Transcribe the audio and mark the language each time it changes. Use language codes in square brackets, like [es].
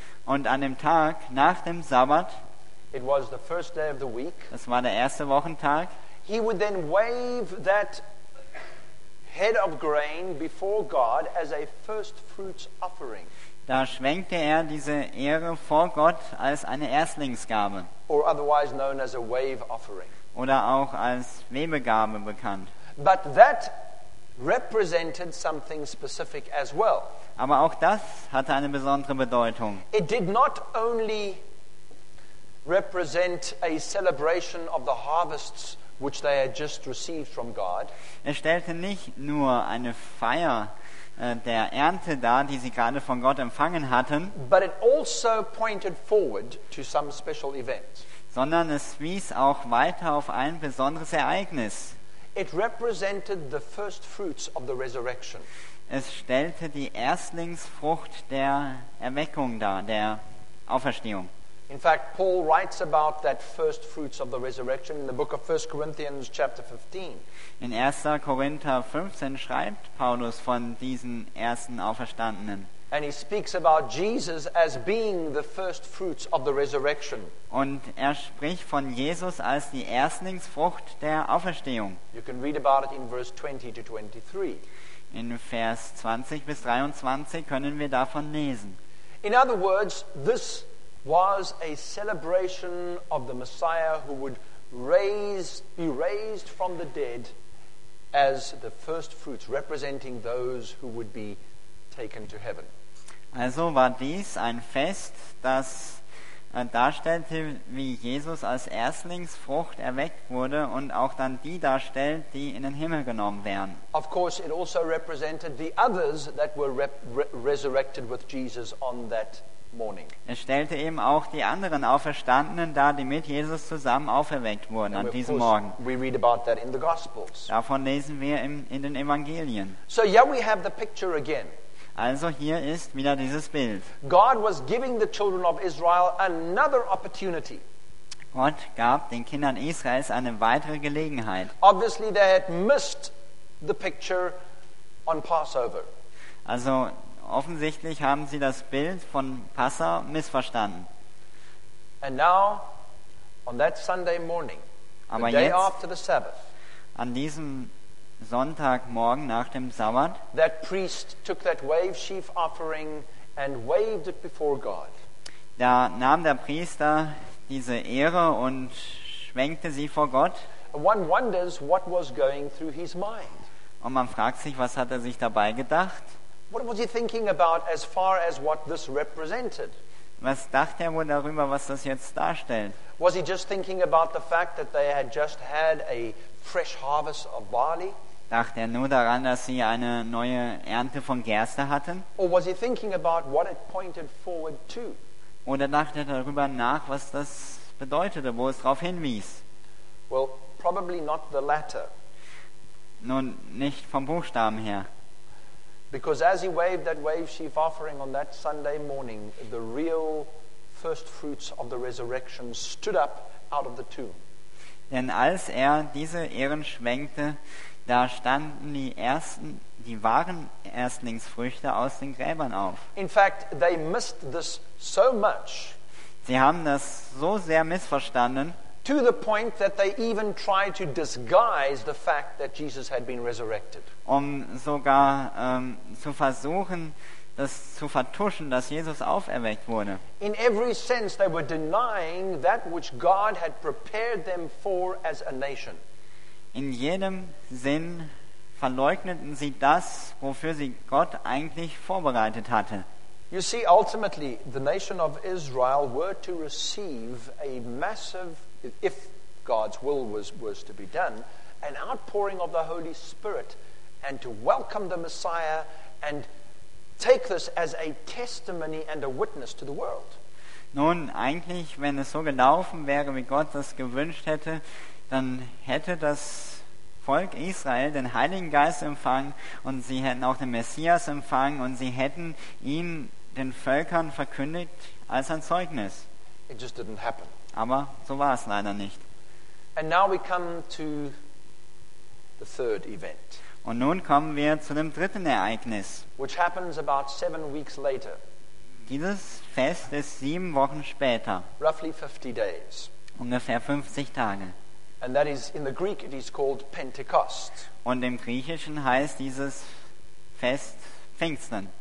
[de] und an dem Tag nach dem Sabbat, [en] it was the first day of the week, [de] es war der erste Wochentag, [en] he would then wave that head of grain before God as a first fruits offering. [de] Da schwenkte er diese Ehre vor Gott als eine Erstlingsgabe. [en] Or otherwise known as a wave offering. [de] Oder auch als Webegabe bekannt. [en] But that represented something specific as well. [de] Aber auch das hatte eine besondere Bedeutung. [en] It did not only represent a celebration of the harvests which they had just received from God. [de] Er stellte nicht nur eine Feier der Ernte dar, die sie gerade von Gott empfangen hatten, [en] but it also pointed forward to some special event. [de] Sondern es wies auch weiter auf ein besonderes Ereignis. [en] It represented the first fruits of the resurrection. [de] Es stellte die Erstlingsfrucht der Erweckung dar, der Auferstehung. [en] In fact, Paul writes about that first fruits of the resurrection in the book of 1 Corinthians chapter 15. [de] In 1. Korinther 15 schreibt Paulus von diesen ersten Auferstandenen. [en] And he speaks about Jesus as being the first fruits of the resurrection. [de] Und spricht von Jesus als die Erstlingsfrucht der Auferstehung. [en] You can read about it in verse 20 to 23. [de] In Vers 20 bis 23 können wir davon lesen. [en] In other words, this was a celebration of the Messiah who would be raised from the dead as the first fruits, representing those who would be taken to heaven. [de] Also war dies ein Fest, das darstellte, wie Jesus als Erstlingsfrucht erweckt wurde und auch dann die darstellt, die in den Himmel genommen werden. [en] Of course, it also represented the others that were resurrected with Jesus on that morning. [de] Es stellte eben auch die anderen Auferstandenen dar, die mit Jesus zusammen auferweckt wurden an diesem Morgen. [en] We read about that in the Gospels. [de] Davon lesen wir in den Evangelien. [en] So yeah, we have the picture again. [de] Also hier ist wieder dieses Bild. [en] God was giving the children of Israel another opportunity. [de] Gott gab den Kindern Israels eine weitere Gelegenheit. [en] Obviously they had missed the picture on Passover. [de] Also offensichtlich haben sie das Bild von Passa missverstanden. [en] And now, on that Sunday morning, [de] aber [en] the day [de] jetzt, [en] after the Sabbath, [de] an diesem Sonntagmorgen nach dem Sabbat, [en] that priest took that wave sheaf offering and waved it before God. [de] Da nahm der Priester diese Ehre und schwenkte sie vor Gott. [en] One wonders what was going through his mind. [de] Und man fragt sich, was hat er sich dabei gedacht? [en] What was he thinking about as far as what this represented? [de] Was dachte er wohl darüber, was das jetzt darstellt? [en] Was he just thinking about the fact that they had just had a fresh harvest of barley? [de] Dachte er nur daran, dass sie eine neue Ernte von Gerste hatten? [en] Or was he thinking about what it pointed forward to? [de] Oder dachte er darüber nach, was das bedeutete, wo es darauf hinwies? [en] Well, probably not the latter. [de] Nun, nicht vom Buchstaben her. [en] Because as he waved that wave sheaf offering on that Sunday morning, the real first fruits of the resurrection stood up out of the tomb. [de] Denn als er diese Ehren schwenkte, da standen die wahren Erstlingsfrüchte aus den Gräbern auf. [en] In fact, they missed this so much. [de] Sie haben das so sehr missverstanden. [en] To the point that they even tried to disguise the fact that Jesus had been resurrected. [de] Um sogar zu versuchen, das zu vertuschen, dass Jesus auferweckt wurde. [en] In every sense they were denying that which God had prepared them for as a nation. [de] In jedem Sinn verleugneten sie das, wofür sie Gott eigentlich vorbereitet hatte. [en] You see, ultimately, the nation of Israel were to receive a massive, if God's will was to be done, an outpouring of the Holy Spirit, and to welcome the Messiah and take this as a testimony and a witness to the world. [de] Nun, eigentlich, wenn es so gelaufen wäre, wie Gott das gewünscht hätte, dann hätte das Volk Israel den Heiligen Geist empfangen und sie hätten auch den Messias empfangen und sie hätten ihn den Völkern verkündigt als ein Zeugnis. [en] It just didn't happen. [de] Aber so war es leider nicht. [en] And now we come to the third event. [de] Und nun kommen wir zu dem dritten Ereignis. [en] Which happens about 7 weeks later. [de] Dieses Fest ist 7 Wochen später. [en] Roughly 50 days. [de] Ungefähr 50 Tage. [en] And that is in the Greek it is called Pentecost. [de] Und im Griechischen heißt dieses Fest Pfingsten.